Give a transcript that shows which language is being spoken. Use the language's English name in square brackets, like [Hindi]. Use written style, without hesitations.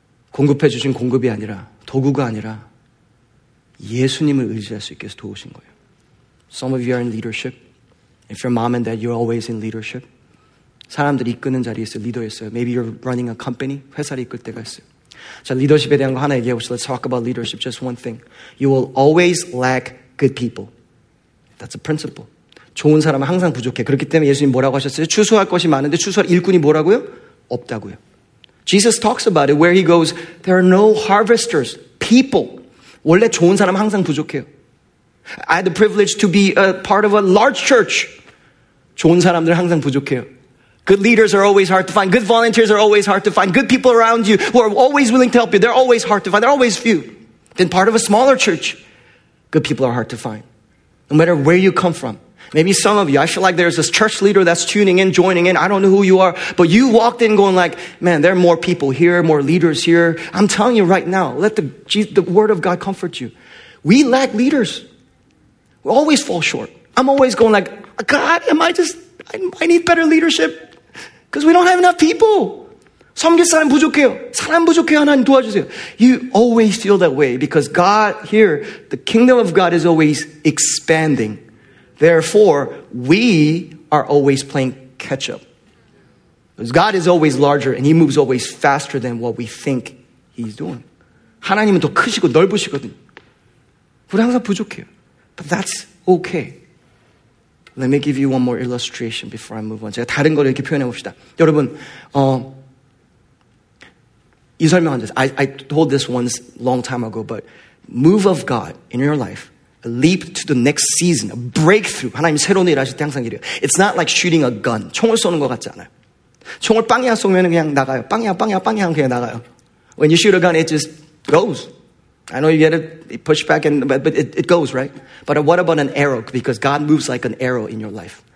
[Korean] 공급해 주신 공급이 아니라 도구가 아니라 예수님을 의지할 수 있게 해서 도우신 거예요. [English] Some of you are in leadership. If you're mom and dad, you're always in leadership. [Korean] 사람들 이끄는 자리에 있어요. 리더였어요. [English] Maybe you're running a company. [Korean] 회사를 이끌 때가 있어요. 자, 리더십에 대한 거 하나 얘기해 보시죠. [English] Let's talk about leadership. Just one thing. You will always lack good people. That's a principle. [Korean] 좋은 사람은 항상 부족해. 그렇기 때문에 예수님 뭐라고 하셨어요? 추수할 것이 많은데 추수할 일꾼이 뭐라고요? 없다고요. [English] Jesus talks about it where he goes, there are no harvesters, people. [Korean] 원래 좋은 사람 항상 부족해요. [English] I had the privilege to be a part of a large church. [Korean] 좋은 사람들 항상 부족해요. [English] Good leaders are always hard to find. Good volunteers are always hard to find. Good people around you who are always willing to help you. They're always hard to find. They're always few. Then part of a smaller church, good people are hard to find. No matter where you come from. Maybe some of you, I feel like there's this church leader that's tuning in, joining in. I don't know who you are, but you walked in going like, man, there are more people here, more leaders here. I'm telling you right now, let the word of God comfort you. We lack leaders. We always fall short. I'm always going like, God, I need better leadership. Because we don't have enough people. [Korean] 섬길 사람 부족해요. 사람 부족해요. 하나님 도와주세요. [English] You always feel that way because God here, the kingdom of God is always expanding. Therefore, we are always playing catch up. Because God is always larger and he moves always faster than what we think he's doing. [Korean] 하나님은 더 크시고 넓으시거든요. 우리 항상 부족해요. [English] But that's okay. Let me give you one more illustration before I move on. [Korean] 제가 다른 걸 이렇게 표현해 봅시다. 여러분, 이 설명 안 됐어요. [English] I told this once long time ago, but move of God in your life, a leap to the next season, a breakthrough. [Korean] 하나님 새로운 일 하실 때 항상 이래요. [English] It's not like shooting a gun. [Korean] 총을 쏘는 것 같지 않아요. 총을 빵이야 쏘면 그냥 나가요. 빵이야, 빵이야, 빵이야 하면 그냥 나가요. [English] When you shoot a gun, it just goes. I know you get a pushback, but it goes, right? But what about an arrow? Because God moves like an arrow in your life.